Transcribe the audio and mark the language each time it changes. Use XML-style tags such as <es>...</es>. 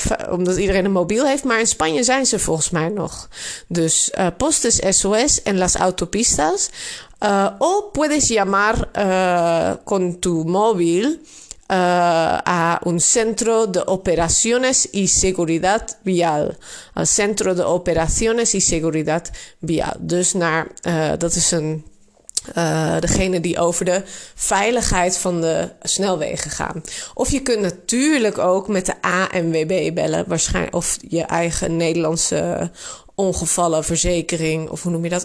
<nl>omdat iedereen een mobiel heeft, maar in Spanje zijn ze volgens mij nog.</nl> <es>Dus postes SOS en las autopistas. O puedes llamar con tu móvil a un centro de operaciones y seguridad vial. Een centro de operaciones y seguridad vial.</es> <nl>Dus naar, dat is een, degene die over de veiligheid van de snelwegen gaan. Of je kunt natuurlijk ook met de ANWB bellen. Waarschijnlijk, of je eigen Nederlandse ongevallenverzekering. Of hoe noem je dat?</nl>